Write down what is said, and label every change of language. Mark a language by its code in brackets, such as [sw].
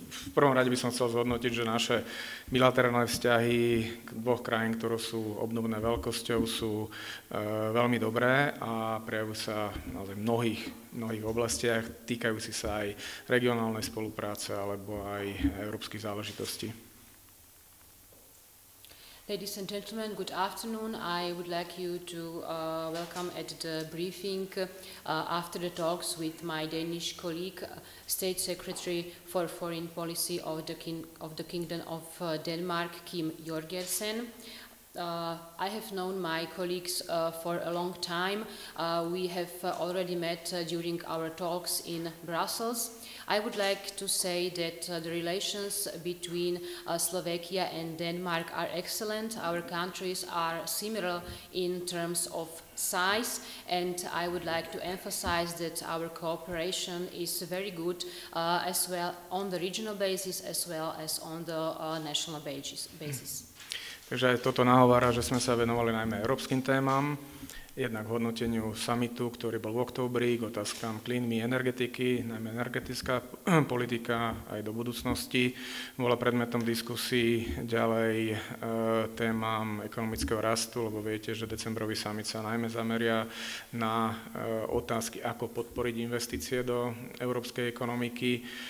[sk] V prvom rade by som chcel zhodnotiť, že naše bilaterálne vzťahy dvoch krajín, ktoré sú obdobné veľkosťou, sú veľmi dobré a prejavujú sa naozaj v mnohých oblastiach, týkajúci sa aj regionálnej spolupráce alebo aj európskych záležitostí. [en] Ladies and gentlemen, good afternoon. I would like you to welcome at the briefing after the talks with my Danish colleague, State Secretary for Foreign Policy of the Kingdom of Denmark, Kim Jorgensen. I have known my colleagues for a long time. We have already met during our talks in Brussels. I would like to say that the relations between Slovakia and Denmark are excellent. Our countries are similar in terms of size, and I would like to emphasize that our cooperation is very good as well on the regional basis as well as on the national basis. [sk] Takže aj toto nahovára, že sme sa venovali najmä európskym témam, jednak hodnoteniu summitu, ktorý bol v októbri, k otázkam klímy, energetiky, najmä energetická politika aj do budúcnosti. Bola predmetom diskusii ďalej témam ekonomického rastu, lebo viete, že decembrový summit sa najmä zameria na otázky, ako podporiť investície do európskej ekonomiky.